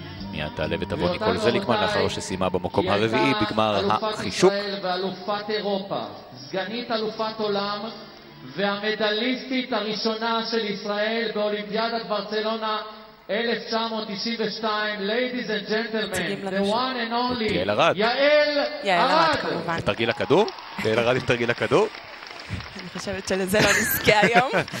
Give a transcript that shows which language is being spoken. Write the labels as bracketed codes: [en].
[he] מיד תעלה ותבוא ניקול זליקמן לאחר שסיימה במקום הרביעי בגמר החישוק. היא הייתה אלופת ישראל ואלופת אירופה, סגנית אלופת עולם והמדליסטית הראשונה של ישראל באולימפיאדת ברצלונה 1992. [en] Ladies and gentlemen, the one and only יעל ארד. [he] יעל ארד, תרגיל הכדור? יעל ארד עם תרגיל הכדור? אני חושבת שלזה לא נזכה היום.